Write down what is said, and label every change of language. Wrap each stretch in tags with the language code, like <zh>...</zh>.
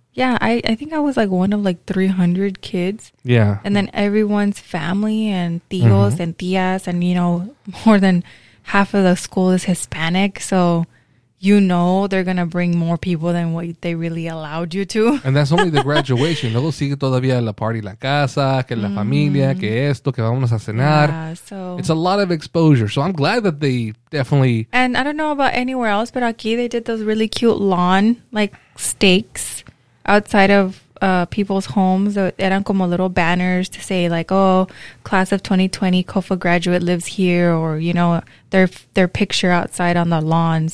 <en>Yeah, I think I was like one of like 300 kids. Yeah. And then everyone's family and tíos and tías and, you know, more than half of the school is Hispanic, so you know they're going to bring more people than what they really allowed you to. And that's only the graduation.</en> <es>Luego sigue todavía la party, la casa, que la familia, que esto, que vamos a cenar.</es> <en>Yeah, so it's a lot of exposure. So I'm glad that they definitely... And I don't know about anywhere else, but</en> <es>aquí</es> <en>they did those really cute lawn, like, stakes outside of people's homes.</en> <es>Eran como</es> <en>little banners to say, like, oh, class of 2020, COFA graduate lives here, or, you know, their picture outside on the lawn.</en>